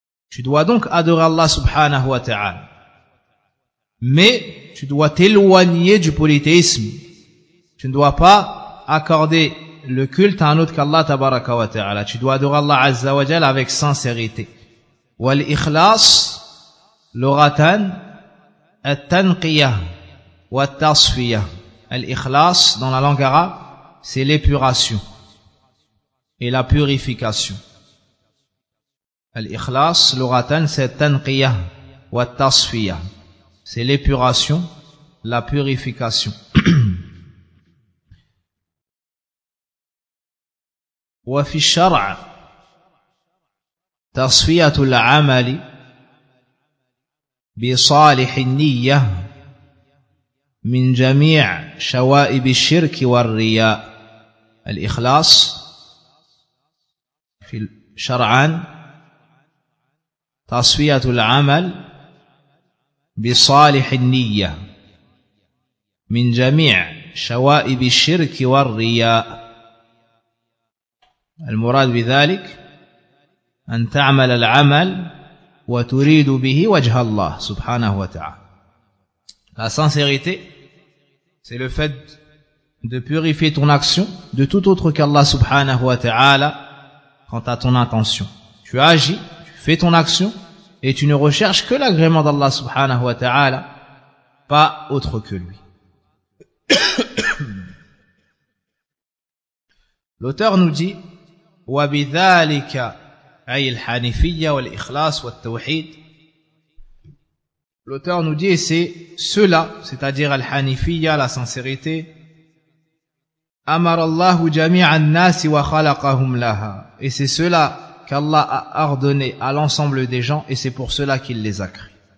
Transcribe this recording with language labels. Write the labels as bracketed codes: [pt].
[fr] Tu dois donc adorer Allah subhanahu wa ta'ala. Mais tu dois t'éloigner du polythéisme. Tu ne dois pas accorder le culte à un autre qu'Allah tabaraka wa ta'ala. Tu dois adorer Allah azza wa jal avec sincérité. [ar] والإخلاص لغة التنقية والتصفية. [fr] الإخلاص dans la langue arabe c'est l'épuration et la purification. [ar] الإخلاص لغة [fr] c'est [ar] التنقية والتصفية, [fr] c'est l'épuration, la purification. [ar] وفي الشرع تصفية العمل بصالح النية من جميع شوائب الشرك والرياء. الإخلاص في الشرع تصفية العمل بصالح النية من جميع شوائب الشرك والرياء. المراد بذلك أن تعمل العمل وتريد به وجه الله سبحانه وتعالى. [fr] La sincérité, c'est le fait de purifier ton action de tout autre qu'Allah subhanahu wa ta'ala quant à ton intention. Tu agis, tu fais ton action et tu ne recherches que l'agrément d'Allah subhanahu wa ta'ala, pas autre que lui. L'auteur nous dit [ar] وَبِذَلِكَ أَيْ الْحَنِفِيَّ وَالْإِخْلَاصِ وَالْتَوْحِيدِ. [fr] L'auteur nous dit, c'est cela, c'est-à-dire al-hanifiyya, la sincérité. [ar] Amara Allahu jami'a an-nasi wa khalaqahum laha. [fr] Et c'est cela qu'Allah a ordonné à l'ensemble des gens et c'est pour cela qu'il les a créés.